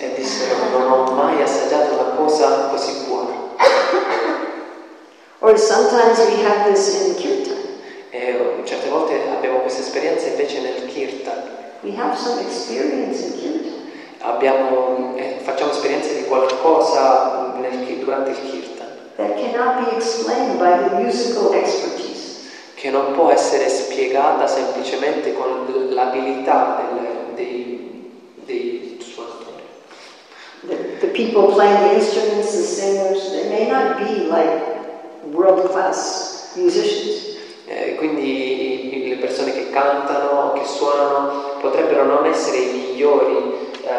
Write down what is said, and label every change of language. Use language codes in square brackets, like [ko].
[it] E dissero non ho mai assaggiato una cosa così buona. [en] Or sometimes we have this in kirtan. [it] E certe volte abbiamo questa esperienza invece nel kirtan. [en] We have some experience in kirtan. [it] Abbiamo, facciamo esperienze di qualcosa nel, durante il kirtan. [en] That cannot be explained by the musical expertise. [it] Che non può essere spiegata semplicemente con l'abilità del, dei suonatori. [en] The people playing the instruments, the singers, they may not be like world class musicians. [it] Quindi le persone che cantano, che suonano, potrebbero non essere i migliori.